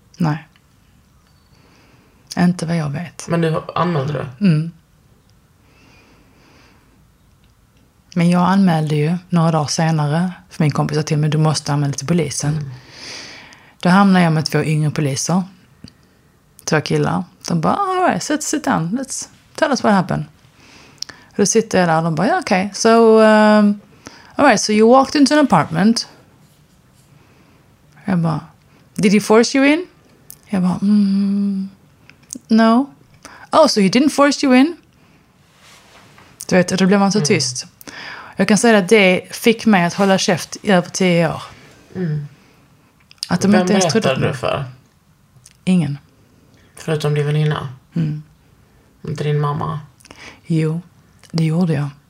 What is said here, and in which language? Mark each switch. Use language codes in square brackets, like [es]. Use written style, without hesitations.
[sv] Nej. Inte vad jag vet. Men du anmälde du? Mm. Men jag anmälde ju några dagar senare, för min kompis sa till mig, du måste anmäla till polisen. Då hamnade jag med 2 yngre poliser. 2 killar. De bara, [en] all right, sit down, let's tell us what happened. [sv] Då sitter jag där och de bara, [en] yeah, okay. So, all right, so you walked into an apartment. [sv] Jag bara, [en] did he force you in? Jag bara, no. Oh, so he didn't force you in? [sv] Du vet, då blev man så tyst. Jag kan säga att det fick mig att hålla käft i över 10 år. Mm. Att de inte ens trodde. Vem berättade du för? Ingen. Förutom din väninna? Mm. Inte din mamma? Jo, det gjorde jag.